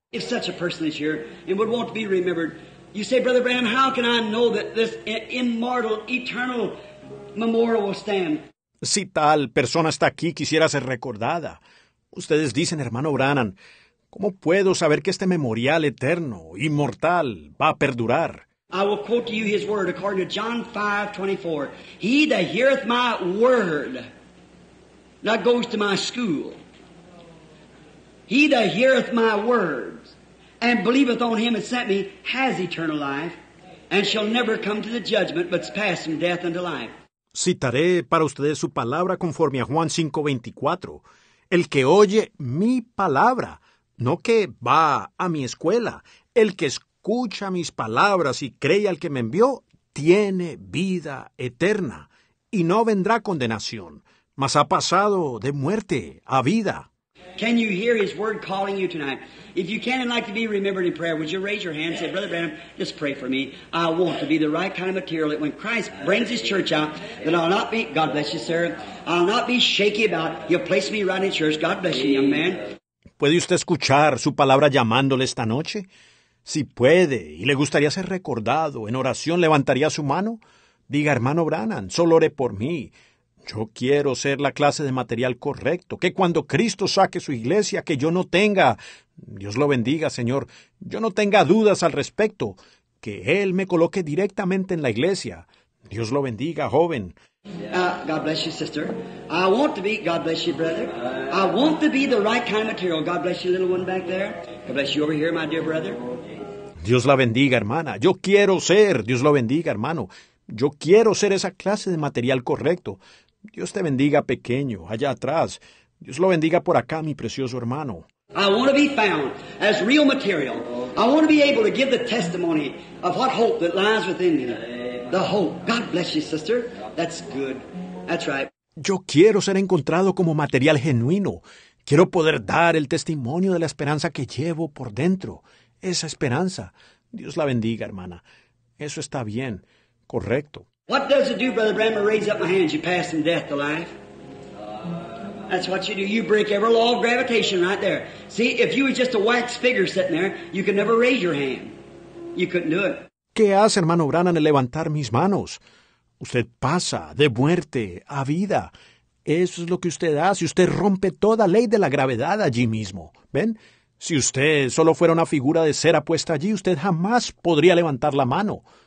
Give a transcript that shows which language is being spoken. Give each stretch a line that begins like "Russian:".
English: If such a person is here and would want to be remembered, you say, Brother Branham, how can I know that this immortal, eternal memorial will stand?
Spanish: Si tal persona está aquí, quisiera ser recordada. Ustedes dicen, hermano Branham, ¿cómo puedo saber que este memorial eterno, inmortal, va a perdurar?
English: I will quote to you his word according to John 5:24. He that heareth my word, that goes to my school. He that heareth my words, and believeth on him that sent me, has eternal life, and shall never come to the judgment, but pass from death unto life.
Spanish: Citaré para ustedes su palabra conforme a Juan 5:24. El que oye mi palabra, no que va a mi escuela, el que escucha mis palabras y cree al que me envió, tiene vida eterna y no vendrá condenación, mas ha pasado de muerte a vida.
English: Can you hear his word calling you tonight? If you can and like to be remembered in prayer, would you raise your hand and say, Brother Branham, just pray for me. I want to be the right kind of material that when Christ brings his church out, that I'll not be, God bless you, sir, I'll not be shaky about, you'll place me right in church. God bless you, young man.
Spanish: ¿Puede usted escuchar su palabra llamándole esta noche? Si puede y le gustaría ser recordado en oración, ¿levantaría su mano? Diga, hermano Branham, solo ore por mí. Yo quiero ser la clase de material correcto, que cuando Cristo saque su iglesia, que yo no tenga, Dios lo bendiga, Señor, yo no tenga dudas al respecto, que Él me coloque directamente en la iglesia. Dios lo bendiga, joven.
English: God bless you, sister. I want to be, God bless you, brother. I want to be the right kind of material. God bless you, little one back there. God bless you over here, my dear brother.
Spanish: Dios la bendiga, hermana. Yo quiero ser, Dios lo bendiga, hermano. Yo quiero ser esa clase de material correcto. Dios te bendiga, pequeño, allá atrás. Dios lo bendiga por acá, mi precioso hermano.
English: I want to be found as real material. I want to be able to give the testimony of what hope that lies within me. The hope. God bless you, sister. That's good. That's right.
Spanish: Yo quiero ser encontrado como material genuino, Quiero poder dar el testimonio de la esperanza que llevo por dentro. Esa esperanza. Dios la bendiga, hermana. Eso está bien. Correcto.
English: What does it do, Brother Branham, to raise up my hands? You pass from death to life. That's what you do. You break every law of gravitation right there. See, if you were just a wax figure sitting there, you could never raise your hand. You couldn't do it.
Spanish: ¿Qué hace, hermano Branham, en levantar mis manos? Usted pasa de muerte a vida. Eso es lo que usted hace. Usted rompe toda ley de la gravedad allí mismo. ¿Ven? Si usted solo fuera una figura de cera puesta allí, usted jamás podría levantar la mano.